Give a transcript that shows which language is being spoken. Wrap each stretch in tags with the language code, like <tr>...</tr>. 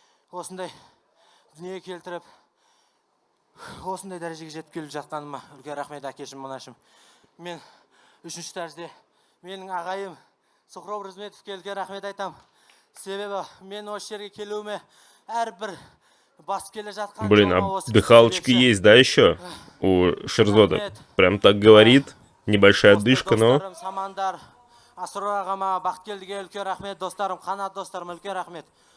<kk>Осындай дүние келтіріп. Осындай дәрежеге жетіп келіп жатқаныма үлкен рахмет әкешім, мұнашым. Мен үшінші тәрізде менің ағайым Сухроб Рызметовке үлкен рахмет айтам. Себебі мен осы жерге келуіме әрбір басып келе жатқан.</kk> <ru>Блин, а дыхалочки есть, да, еще у Шерзода? Прям так говорит, небольшая дышка, но...</ru> <kk>Достарым, Самандар, Асурор ағама, бақыт келдіге үлкен рахмет, достарым, қанат достарым, үлкен рахмет.</kk>